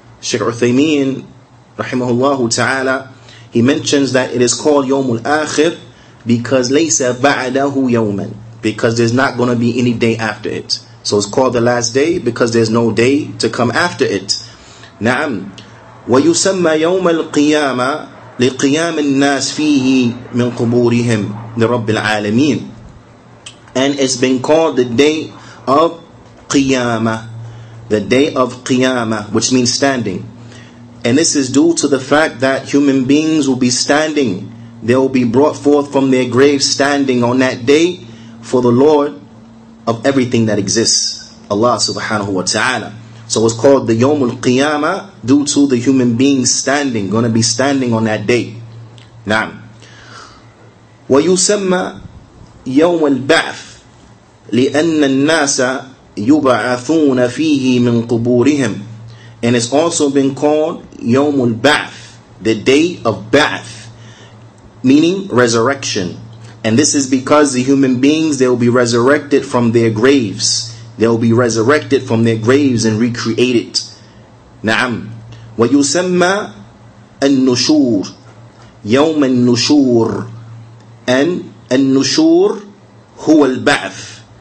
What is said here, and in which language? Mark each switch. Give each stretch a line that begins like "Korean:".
English: Shaykh Uthaymeen, rahimahullah ta'ala, he mentions that it is called يوم الآخر because
Arabic: ليس بعده يوما,
English: because there's not going to be any day after it. So it's called the last day because there's no day to come after it.
Arabic: نعم. ويسمى يوم القيامة لقيام الناس فيه من قبورهم لرب العالمين.
English: And it's been called the day of Qiyamah, the day of Qiyamah, which means standing. And this is due to the fact that human beings will be standing. They will be brought forth from their graves standing on that day for the Lord of everything that exists, Allah subhanahu wa ta'ala. So it's called the Yawmul Qiyamah due to the human beings standing, going to be standing on that day. Naam.
Arabic: وَيُسَمَّى يَوْمَ الْبَعْثِ لِأَنَّ النَّاسَ يُبَعَثُونَ فِيهِ مِنْ قُبُورِهِمْ,
English: and it's also been called يَوْمُ الْبَعْثِ, the day of Ba'ath, meaning resurrection. And this is because the human beings, they will be resurrected from their graves. They will be resurrected from their graves and recreated.
Arabic: نعم. وَيُسَمَّى النُّشُور, يَوْمَ النُّشُور,
English: and
Arabic: النُّشُور هو البعث.